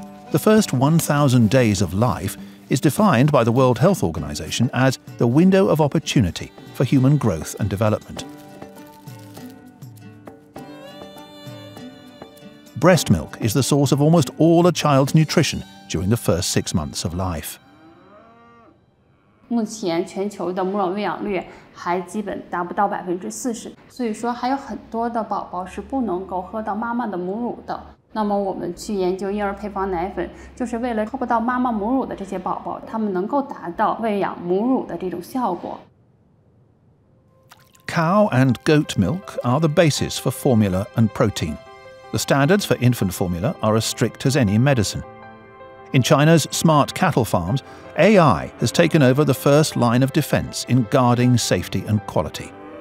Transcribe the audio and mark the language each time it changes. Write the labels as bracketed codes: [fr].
[en] The first 1,000 days of life is defined by the World Health Organization as the window of opportunity for human growth and development. Breast milk is the source of almost all a child's nutrition during the first 6 months of life. [zh] 目前全球的母乳喂养率还基本达不到40%，所以说还有很多的宝宝是不能够喝到妈妈的母乳的。那么我们去研究婴儿配方奶粉，就是为了喝不到妈妈母乳的这些宝宝，他们能够达到喂养母乳的这种效果。 [en] Cow and goat milk are the basis for formula and protein. The standards for infant formula are as strict as any medicine. In China's smart cattle farms, AI has taken over the first line of defense in guarding safety and quality.